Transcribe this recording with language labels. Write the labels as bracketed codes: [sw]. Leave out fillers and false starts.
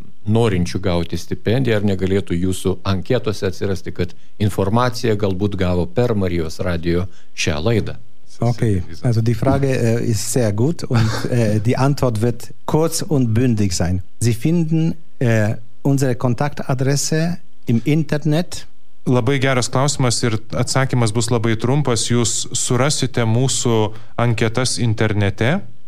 [lt] norinčių gauti stipendiją, ar negalėtų jūsų anketose atsirasti, kad informacija galbūt gavo per Marijos radijo šią laidą. [de] Okay, also die Frage ist sehr gut und die Antwort wird kurz und bündig sein. Sie finden unsere Kontaktadresse im Internet. [lt] Labai geras klausimas ir atsakymas bus labai trumpas. Jūs surasite mūsų anketas internete.